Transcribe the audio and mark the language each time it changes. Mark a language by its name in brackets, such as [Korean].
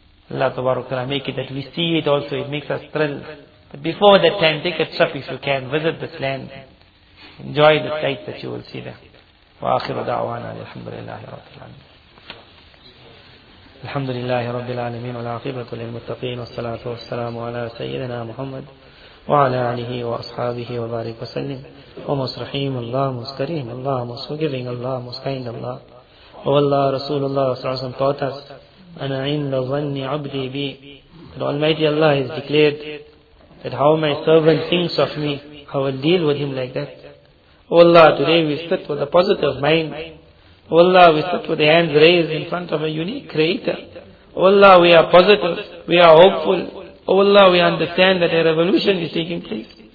[English] Allah Tabarakallah make it that we see it also, it makes us thrill. But before that time, take a trip if you can, visit this land. Enjoy the sight that you will see there. [Arabic] وآخر دعوانا الحمد لله رب العالمين. الحمد لله رب العالمين والعاقبة للمتقين والصلاة والسلام على سيدنا محمد وعلى آله وأصحابه وبارك وسلم. اللهم رحيم اللهم كريم اللهم forgiving اللهم kind الله. والله رسول الله صلى الله عليه وسلم [English] taught us [Arabic] أنا عند ظن عبدي بي. [English] The Almighty Allah has declared that how my servant thinks of me, I will deal with him like that. O Allah, today we sit with a positive mind. O Allah, we sit with the hands raised in front of a unique creator. O Allah, we are positive, we are hopeful. O Allah, we understand that a revolution is taking place.